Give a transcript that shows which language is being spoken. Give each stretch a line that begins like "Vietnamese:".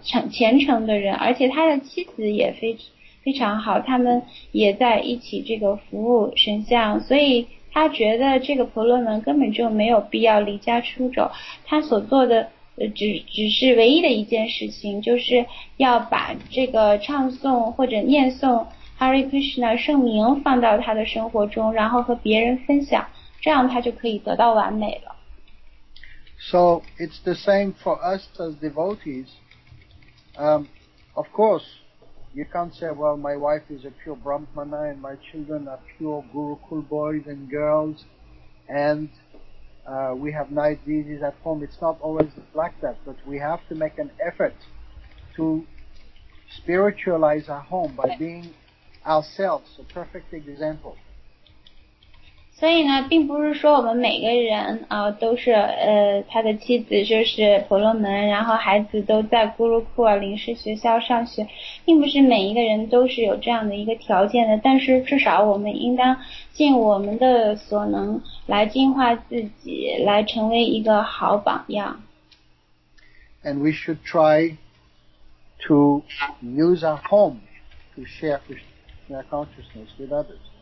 Chinese: 虔诚的人，而且他的妻子也非常好，他们也在一起这个服务神像，所以他觉得这个婆罗门根本就没有必要离家出走，他所做的只是唯一的一件事情，就是要把这个唱诵或者念诵 Hare Krishna 圣名放到他的生活中，然后和别人分享，这样他就可以得到完美了。
English: So it's the same for us as devotees. Of course, you can't say, well, my wife is a pure Brahmana and my children are pure Gurukul boys and girls and we have nice deities at home. It's not always like that, but we have to make an effort to spiritualize our home by being ourselves a perfect example.
Chinese: 所以呢，并不是说我们每个人都是他的妻子就是婆罗门，然后孩子都在咕噜库尔临时学校上学，并不是每一个人都是有这样的一个条件的，但是至少我们应当尽我们的所能来净化自己，来成为一个好榜样。
English: And we should try to use our home to share Krishna consciousness with others.